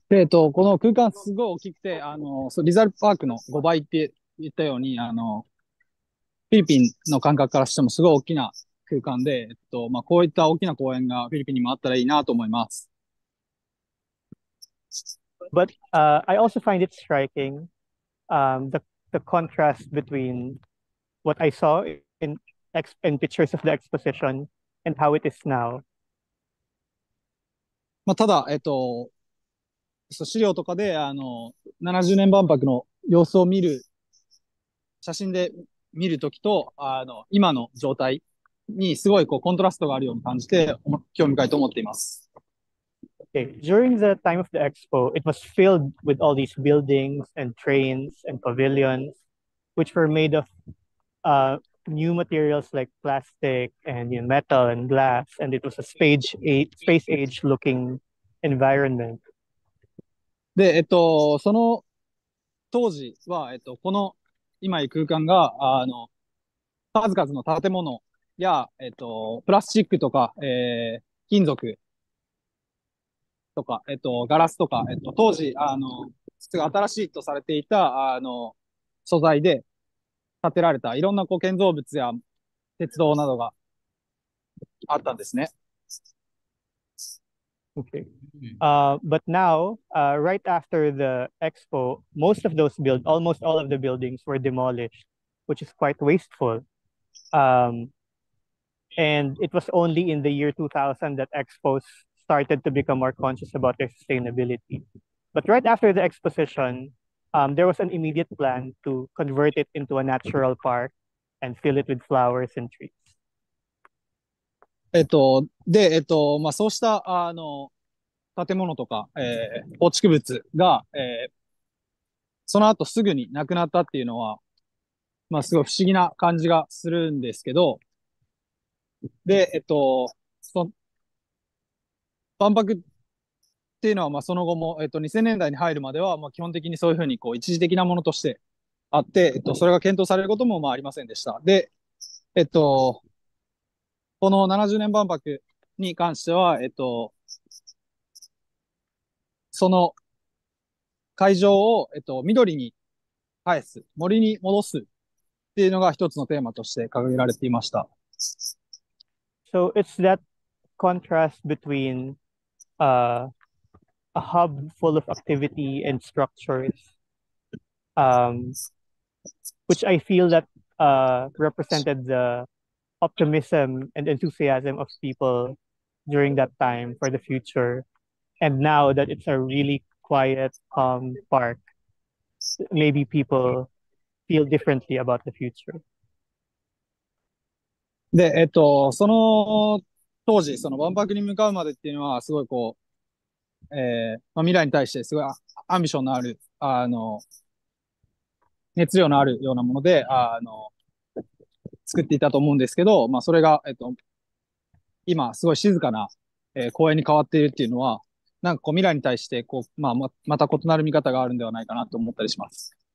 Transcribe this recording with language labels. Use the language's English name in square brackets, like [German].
[Japanese] この空間すごい大きくて、リザルパークの5倍って言ったように、フィリピンの感覚からしてもすごい大きな空間で、まあ、こういった大きな公園がフィリピンにもあったらいいなと思います。 [English] But, I also find it striking, the contrast between what I saw in pictures of the exposition and how it is now. [Japanese] まあ、ただ、資料とかで、70年万博の様子を見る、写真で見るときと、今の状態にすごいこうコントラストがあるように感じて、興味深いと思っています。 [English] Okay. During the time of the expo, it was filled with all these buildings and trains and pavilions, which were made of, new materials like plastic and, you know, metal and glass, and it was a space age looking environment. [Japanese] で、その当時は、この今いる空間が、数々の建物や、プラスチックとか、金属とか、ガラスとか、当時、すごい新しいとされていた、素材で建てられたいろんなこう建造物や鉄道などがあったんですね。 [English] Okay. But now, right after the expo, most of those almost all of the buildings were demolished, which is quite wasteful. And it was only in the year 2000 that expos started to become more conscious about their sustainability. But right after the exposition, there was an immediate plan to convert it into a natural park and fill it with flowers and trees. [Japanese] で、まあ、そうした、建物とか、構築物が、その後すぐになくなったっていうのは、まあ、すごい不思議な感じがするんですけど、で、万博っていうのは、まあ、その後も、2000年代に入るまでは、まあ、基本的にそういうふうにこう一時的なものとしてあって、それが検討されることもまあありませんでした。で、この70年万博に関しては、その会場を、緑に返す、森に戻すっていうのが一つのテーマとして掲げられていました。 [English] So it's that contrast between, a hub full of activity and structures, which I feel that, represented the optimism and enthusiasm of people during that time for the future. And now that it's a really quiet, calm park, maybe people feel differently about the future. [Japanese] で、その当時、その万博に向かうまでっていうのは、すごいこう、まあ、未来に対してすごいアンビションのある、熱量のあるようなもので、作っていたと思うんですけど、まあ、それが、今、すごい静かな、公園に変わっているっていうのは、なんかこう未来に対してこう、まあ、また異なる見方があるんではないかなと思ったりします。